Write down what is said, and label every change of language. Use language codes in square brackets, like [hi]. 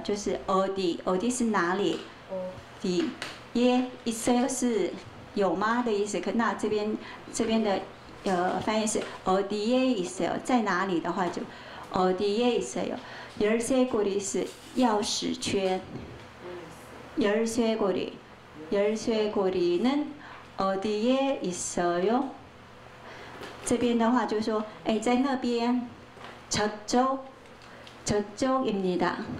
[zh] 就是 [ko] 어디 [zh] 是哪里？ [ko] 디예 있어요 [zh] 是有吗的意思。可那这边的翻译是 [ko] 어디에 있어요 [zh] 在哪里的话就 [ko] 어디에 있어요 열쇠고리 [zh] 是钥匙圈。 [ko] 열쇠고리는 어디에 있어요？ [zh] 这边的话就是说，哎，在那边， [ko] 저쪽입니다.